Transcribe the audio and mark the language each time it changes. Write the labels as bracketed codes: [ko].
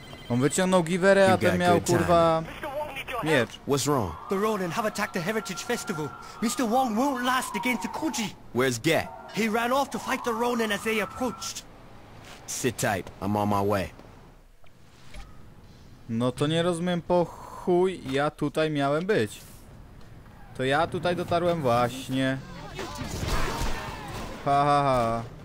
[pl] On wyciągnął giwerę, a ten miał, kurwa... [en] Mr. Wong, need your [pl] Miecz. [en] What's wrong? The Ronin have attacked the Heritage Festival. Mr. Wong won't last against the Kuji. Where's Gat? He ran off to fight the Ronin as they approached. Sit tight, I'm on my way. [pl] No to nie rozumiem po chuj ja tutaj miałem być. To ja tutaj dotarłem właśnie. Ha ha ha.